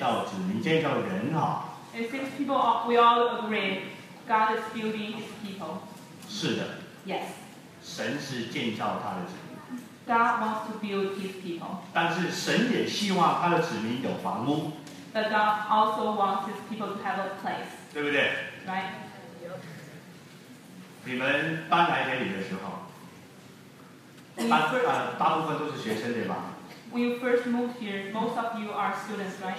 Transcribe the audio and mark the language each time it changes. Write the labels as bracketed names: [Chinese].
[Chinese] 好像大家都比较同意是建造子民，建造人哈。 [English] It seems people we all agree God is building His people. [Chinese] 是的。 [English] Yes. [Chinese] 神是建造他的子民。 [English] God wants to build His people. [Chinese] 但是神也希望他的子民有房屋。 [English] But God also wants His people to have a place. [Chinese] 对不对？ [English] Right. [Chinese] 你们搬来这里的时候，大部分都是学生对吧？ [English] When you first moved here, most of you are students, right?